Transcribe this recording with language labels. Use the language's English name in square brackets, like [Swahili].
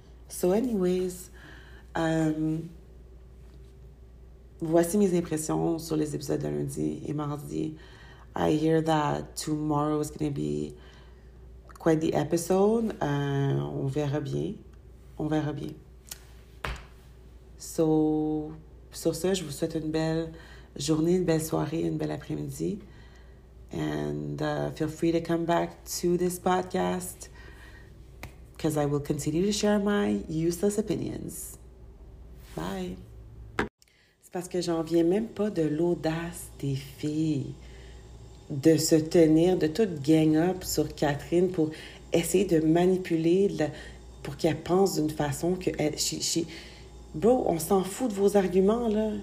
[English] So anyways, [French] voici mes impressions sur les épisodes de lundi et mardi. [English] I hear that tomorrow is going to be quite the episode. [French] On verra bien. On verra bien. So, sur ce, je vous souhaite une belle journée, une belle soirée, une belle après-midi. [English] And feel free to come back to this podcast because I will continue to share my useless opinions. Bye. [French] C'est parce que j'en viens même pas de l'audace des filles. De se tenir, de tout gang up sur Catherine pour essayer de manipuler la, pour qu'elle pense d'une façon que elle, she, bro, on s'en fout de vos arguments, là.